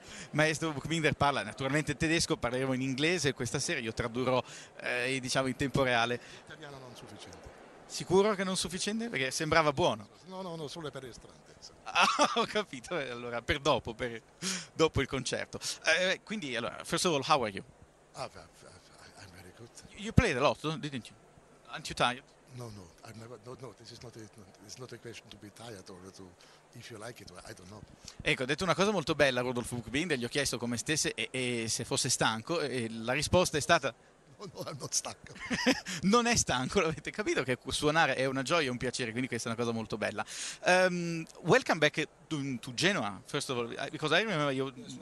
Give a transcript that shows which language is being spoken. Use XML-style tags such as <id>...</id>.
<it>Maestro Buchbinder parla naturalmente in tedesco, parleremo in inglese questa sera, io tradurrò diciamo in tempo reale. Italiano non sufficiente. Sicuro che non sufficiente? Perché sembrava buono. No, solo per estratto. Ah, ho capito, allora per dopo, per dopo il concerto. Quindi, allora,</it> <en>first of all, how are you? I'm very good. You played a lot, didn't you? Aren't you tired? No, this is not a question to be tired or to if you like it, I don't know.</en> <it>Ecco, ha detto una cosa molto bella Rudolf Buchbinder, gli ho chiesto come stesse e se fosse stanco, e la risposta è stata non stanco. Non è stanco, l'avete capito, che suonare è una gioia e un piacere, quindi questa è una cosa molto bella.</it> <en>Welcome back to Genoa, first of all, because I remember you...</en>